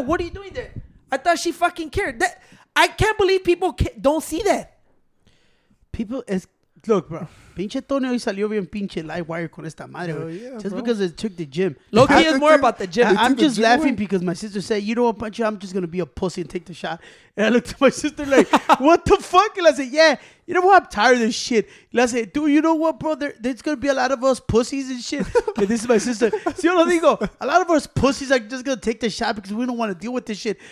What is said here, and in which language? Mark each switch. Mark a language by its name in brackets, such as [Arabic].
[English] What are you doing there? I thought she fucking cared. That I can't believe people don't see that. Look, bro. [Spanish] Pinche Tony hoy salió bien pinche [English] live wire [Spanish] con esta madre. [English] Yeah, just bro. Because it took the gym. Loki is more about the gym. I'm just laughing because my sister said, you know what, Pancho? I'm just going to be a pussy and take the shot. And I looked at my sister like, what the fuck? And I said, yeah, you know what? I'm tired of this shit. And I said, dude, you know what, bro? There's going to be a lot of us pussies and shit. And this is my sister. [Spanish] Si yo lo digo, [English] a lot of us pussies are just going to take the shot because we don't want to deal with this shit.